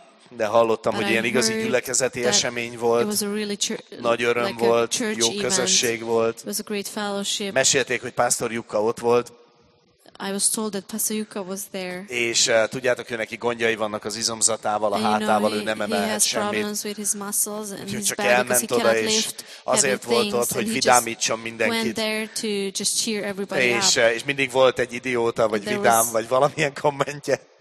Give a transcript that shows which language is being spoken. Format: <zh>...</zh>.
<hu>De hallottam, hogy ilyen igazi gyülekezeti esemény volt, nagy öröm volt, jó közösség volt. Mesélték, hogy Pásztor Jukka ott volt.</hu> <en>I was told that Pastor Jukka was there.</en> <hu>És tudjátok, hogy neki gondjai vannak az izomzatával, a hátával, ő nem emelhet semmit. Úgyhogy csak elment oda, és azért volt ott, hogy vidámítson mindenkit. És mindig volt egy idióta, vagy vidám, vagy valamilyen kommentje.</hu>